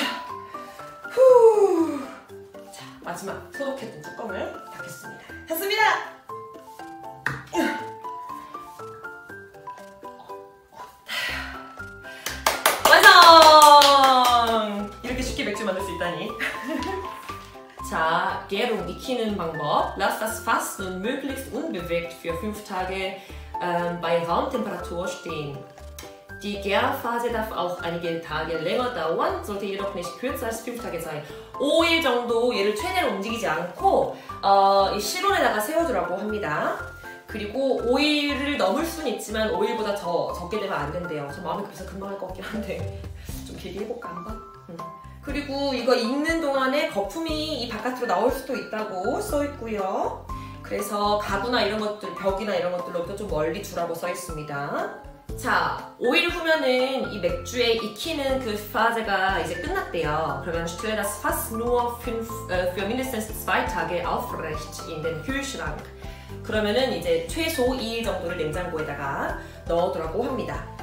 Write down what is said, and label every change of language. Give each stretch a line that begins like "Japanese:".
Korean: 자, 마지막 소독했던 뚜껑을 닫겠습니다. 닫습니다! 완성! 이렇게 쉽게 맥주 만들 수 있다니. 자, 게로 익히는 방법.
German: Lass das Fass nun möglichst unbewegt für 5 Tage bei Raumtemperatur stehen. Die Gärphase darf auch einige Tage länger dauern, sollte jedoch nicht kürzer als 5 Tage sein.
Korean: 5일 정도 얘를 최대로 움직이지 않고 이 실온에다가 세워두라고 합니다. 그리고 5일을 넘을 수는 있지만 5일보다 더 적게 되면 안 된대요. 저 마음이 벌써 금방 할 것 같긴 한데 좀 길게 해볼까 한번? 그리고 이거 익는 동안에 거품이 이 바깥으로 나올 수도 있다고 써있고요. 그래서 가구나 이런 것들, 벽이나 이런 것들로부터 좀 멀리 두라고 써있습니다. 자, 5일 후면은 이 맥주에 익히는 그 파제가 이제 끝났대요. 그러면
German: stelle das Fass nur für mindestens 2 Tage aufrecht in den Kühlschrank.
Korean: 그러면은 이제 최소 2일 정도를 냉장고에다가 넣어두라고 합니다.